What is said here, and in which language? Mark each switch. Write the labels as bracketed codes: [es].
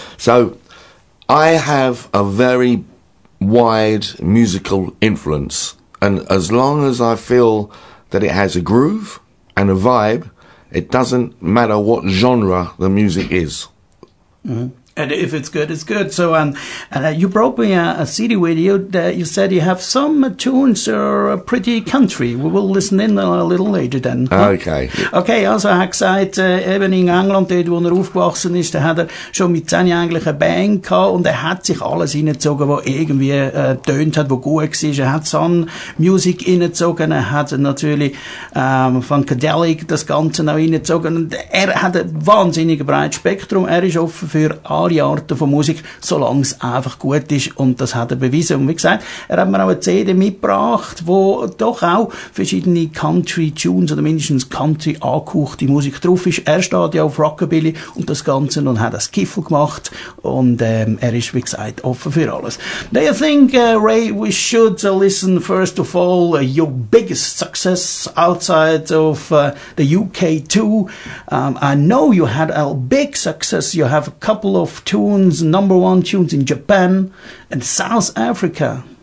[en] So I have a very wide musical influence, and as long as I feel that it has a groove and a vibe, it doesn't matter what genre the music is. Mm-hmm. And if it's good, it's good. So you brought me a CD with you that you said you have some tunes that are pretty country. We will listen in a little later then. Okay. [de] Okay, also [en] I said, even in England, [de] dort, wo er aufgewachsen ist, da hat er schon mit 10 Jahren eigentlich eine Band gehabt und er hat sich alles reingezogen, was irgendwie getönt hat, was gut war. Er hat Sun Music reingezogen, er hat natürlich Funkadelic das Ganze noch reingezogen. Und er hat ein wahnsinnig breites Spektrum. Er ist offen für alle alle Arten von Musik, solange es einfach gut ist. Und das hat er bewiesen. Und wie gesagt, er hat mir auch eine CD mitgebracht, wo doch auch verschiedene Country-Tunes oder mindestens Country-angehauchte Musik drauf ist. Er steht ja auf Rockabilly und das Ganze und hat das Skiffle gemacht. Und er ist, wie gesagt, offen für alles. [en] Do you think, Ray, we should listen first of all your biggest success outside of the UK too? I know you had a big success. You have a couple of tunes, number one tunes in Japan and South Africa.